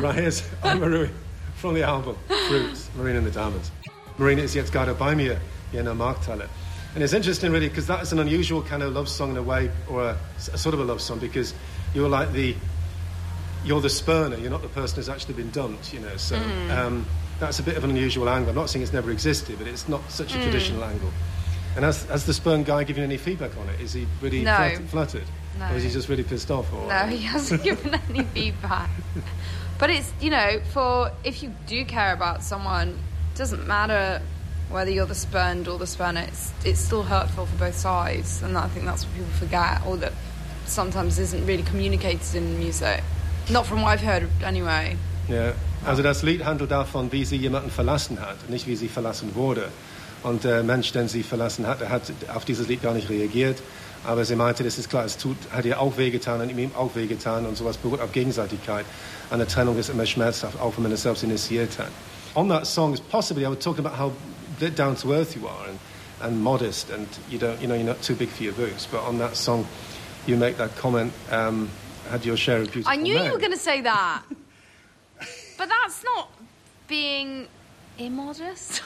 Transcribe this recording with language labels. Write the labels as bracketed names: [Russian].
[English] Right, here's I'm a ruin from the album Fruits, Marina and the Diamonds. [German] Marina ist jetzt gerade bei mir in der Markthalle. [English] And it's interesting, really, because that is an unusual kind of love song in a way, or a sort of a love song, because you're like you're the spurner, you're not the person who's actually been dumped, you know, so that's a bit of an unusual angle. I'm not saying it's never existed, but it's not such a traditional angle. And has the sperm guy given any feedback on it? Is he really fluttered? No. Or is he just really pissed off? Or no, he hasn't given any feedback. But it's, you know, if you do care about someone, it doesn't matter whether you're the spurned or the spurner. It's still hurtful for both sides. And I think that's what people forget, or that sometimes isn't really communicated in music. Not from what I've heard, anyway. Yeah. [German] Also das Lied handelt davon, wie sie jemanden verlassen hat, nicht wie sie verlassen wurde. Und der Mensch, den sie verlassen hat, hat auf dieses Lied gar nicht reagiert. Aber sie meinte, das ist klar, hat ihr auch wehgetan und ihm auch wehgetan. Und sowas beruht auf Gegenseitigkeit. Eine Trennung ist immer schmerzhaft, auch wenn man es selbst initiiert hat. [English] On that song, is possibly, I was talking about how down to earth you are and modest and you're not too big for your boots. But on that song, you make that comment, had your share of beautiful men. I knew you were going to say that. But that's not being... immodest?